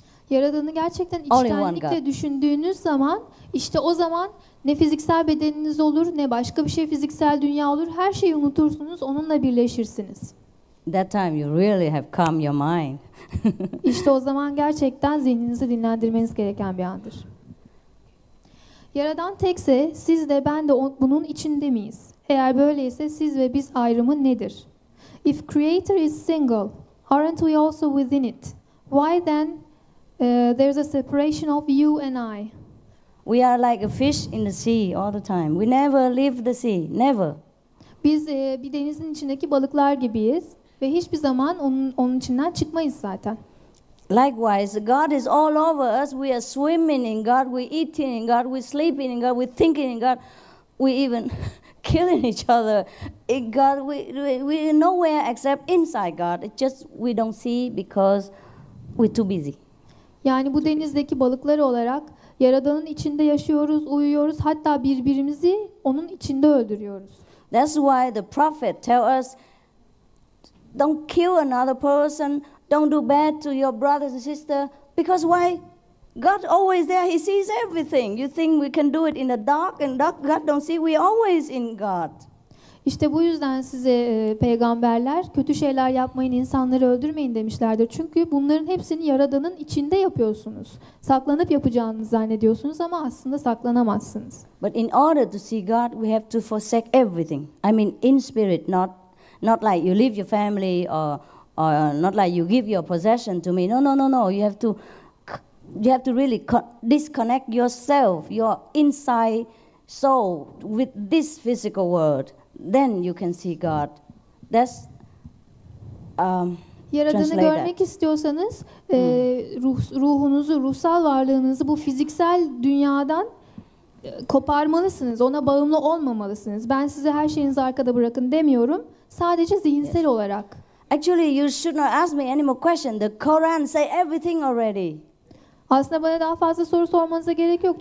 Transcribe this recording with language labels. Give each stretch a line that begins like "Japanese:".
Turkish: Yaradanı gerçekten içtenlikle düşündüğünüz zaman, işte o zaman ne fiziksel bedeniniz olur, ne başka bir şey fiziksel dünya olur. Her şeyi unutursunuz, onunla birleşirsiniz.
English: That time you really have calmed your mind.
Turkish: İşte o zaman gerçekten zihninizi dinlendirmeniz gereken bir andır. Yaradan tekse, siz de ben de bunun içinde miyiz? Eğer böyleyse siz ve biz ayrımı nedir?
English: If Creator is single, aren't we also within it? Why then there's a separation of you and I? We are like a fish in the sea all the time. We never leave the sea, never.
Turkish: Biz bir denizin içindeki balıklar gibiyiz ve hiçbir zaman onun içinden çıkmayız zaten.
English: Likewise, God is all over us. We are swimming in God, we're eating in God, we're sleeping in God, we're thinking in God, we even killing each other. In God, we're nowhere except inside God. It's just we don't see because we're too busy.
Turkish: Yani bu denizdeki balıklar olarak Yaradan'ın içinde yaşıyoruz, uyuyoruz, hatta birbirimizi onun içinde öldürüyoruz.
English: That's why the prophet tell us, don't kill another person, don't do bad to your brothers and sisters, because why? God always there, he sees everything. You think we can do it in the dark and dark, God don't see, we always in God.
Turkish: İşte bu yüzden size peygamberler kötü şeyler yapmayın, insanları öldürmeyin demişlerdir. Çünkü bunların hepsini Yaradan'ın içinde yapıyorsunuz. Saklanıp yapacağınızı zannediyorsunuz ama aslında saklanamazsınız.
English: But in order to see God, we have to forsake everything. I mean in spirit, not like you leave your family or not like you give your possession to me. No. You have to really disconnect yourself, your inside soul with this physical world. Then you can see God. That's
Turkish: Yaradan'ı görmek istiyorsanız ruhunuzu, ruhsal varlığınızı bu fiziksel dünyadan koparmalısınız. Ona bağımlı olmamalısınız. Ben size her şeyinizi arkada bırakın demiyorum. Sadece zihinsel olarak.
English: Actually you should not ask me any more question. The Quran say everything already.
Turkish: Aslında bana daha fazla soru sormanıza gerek yok.